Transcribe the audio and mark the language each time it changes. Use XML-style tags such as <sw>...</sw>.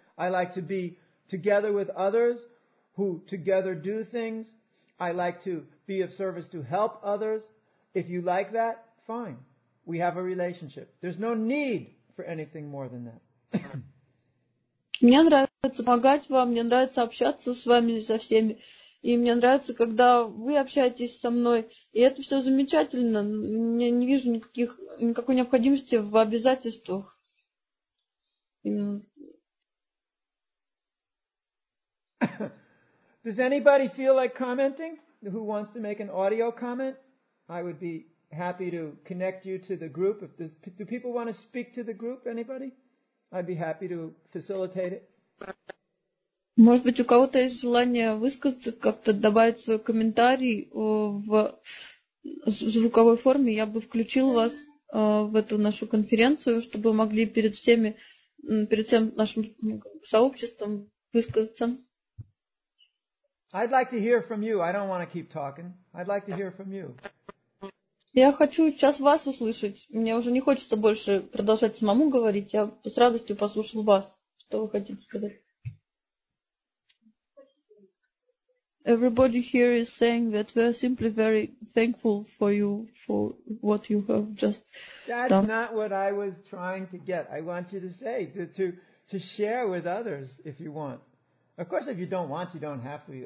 <en>I like to be together with others who together do things. I like to be of service to help others. If you like that, fine. We have a relationship. There's no need for anything more than that.</en> <ru>Мне нравится помогать вам, мне нравится общаться с вами и со всеми. И мне нравится, когда вы общаетесь со мной. И это все замечательно. Я не вижу никакой необходимости в обязательствах.</ru> <en>Does anybody feel like commenting? Who wants to make an audio comment? I would be happy to connect you to the group. Do people want to speak to the group, anybody? I'd be happy to facilitate it.</en> <ru>Может быть, у кого-то есть желание высказаться, как-то добавить свой комментарий в звуковой форме. Я бы включил вас в эту нашу конференцию, чтобы вы могли перед всем нашим сообществом высказаться.</ru> <en>I'd like to hear from you. I don't want to keep talking. I'd like to hear from you.</en> <ru>Я хочу сейчас вас услышать. Мне уже не хочется больше продолжать самому говорить. Я с радостью послушал вас, что вы хотите сказать.</ru> <en>Everybody here is saying that we are simply very thankful for you for what you have just done. That's not what I was trying to get. I want you to say to share with others if you want. Of course, if you don't want, you don't have to.</en>